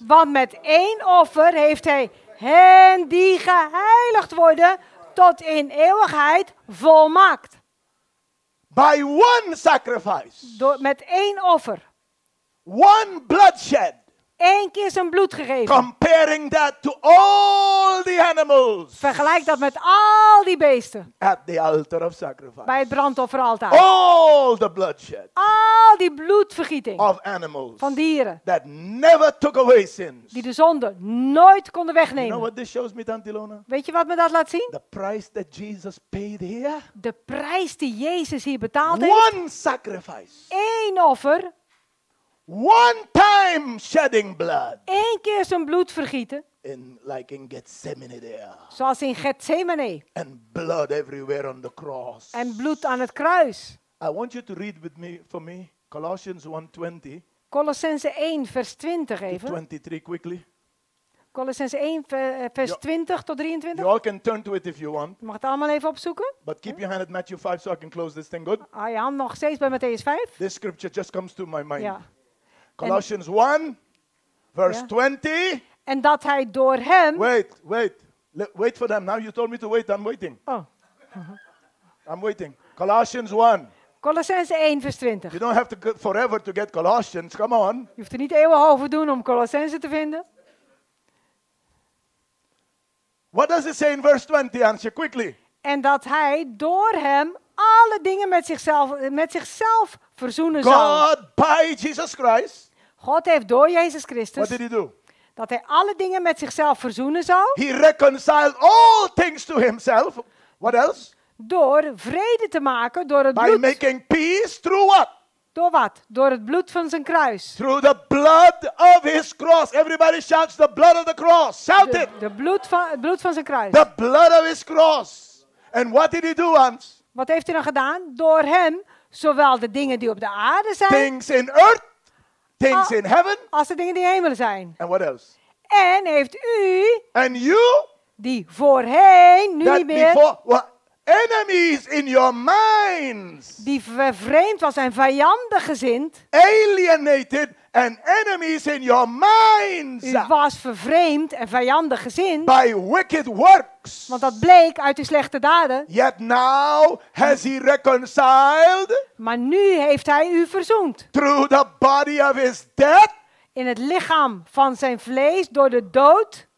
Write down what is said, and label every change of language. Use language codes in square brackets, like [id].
[nl] Want met één offer heeft hij hen die geheiligd worden tot in eeuwigheid volmaakt. [en] By one sacrifice. [nl] Met één offer. [en] One bloodshed. [nl] Eén keer zijn bloed gegeven. [en] Comparing that to all the animals. [nl] Vergelijk dat met al die beesten. [en] At the altar of sacrifice. [nl] Bij het brandofferaltaar. [en] All the bloodshed. [nl] Al die bloedvergieting. [en] Of animals. [nl] Van dieren. [en] That never took away sins. [nl] Die de zonde nooit konden wegnemen. [en] You know what this shows me, Tante Ilona? [nl] Weet je wat me dat laat zien? [en] The price that Jesus paid here. [nl] De prijs die Jezus hier betaald [en] one [nl] heeft. [en] One sacrifice. [nl] Eén offer. [en] One time shedding blood. [nl] Eén keer zijn bloed vergieten. [en] In like in Gethsemane there. [nl] Zoals in Gethsemane. [en] And blood everywhere on the cross. [nl] En bloed aan het kruis. [en] I want you to read with me for me Colossians 1:20. [nl] Colossense 1 vers 20 even. [en] 23 quickly. [nl] Colossense 1 vers 20 tot 23. [en] You all can turn to it if you want. [nl] Je mag het allemaal even opzoeken. [en] But keep your hand at Matthew 5 so I can close this thing good. [nl] Ah ja, nog steeds bij Matthäus 5. [en] This scripture just comes to my mind. [nl] Ja. [en] Colossians 1, verse 20. [nl] En dat hij door hem... [en] Wait for them. Now you told me to wait. I'm waiting. Oh. I'm waiting. Colossians 1. Colossians 1, verse 20. You don't have to go forever to get Colossians. Come on. [nl] Je hoeft er niet eeuwen over doen om Colossians te vinden. [en] What does it say in verse 20? Answer quickly. [nl] En dat hij door hem alle dingen met zichzelf verzoenen zal. [en] God by Jesus Christ. [nl] God heeft door Jezus Christus. [en] What did he do? [nl] Dat hij alle dingen met zichzelf verzoenen zal. [en] He reconciled all things to himself. What else? [nl] Door vrede te maken door het [en] by [nl] bloed. [en] By making peace through what? [nl] Door wat? Door het bloed van zijn kruis. [en] Through the blood of his cross. Everybody shouts the blood of the cross. Shout it. [nl] Het bloed van zijn kruis. [en] The blood of his cross. And what did he do once? [nl] Wat heeft hij dan gedaan? Door hem zowel de dingen die op de aarde zijn. [en] Things in earth. Things in heaven. [nl] Als de dingen die in hemel zijn. [en] And what else? [nl] En heeft u. [en] And you. [nl] Die voorheen, nu niet meer. [en] Enemies in your minds. [nl] Die vervreemd was en vijandig gezind. [en] Alienated and enemies in your minds. [nl] U was vervreemd en vijandig gezind. [en] By wicked works. [nl] Want dat bleek uit uw slechte daden. [en] Yet now has he reconciled. [nl] Maar nu heeft hij u verzoend. [en] Through the body of his death. [nl] In het lichaam van zijn vlees door de dood.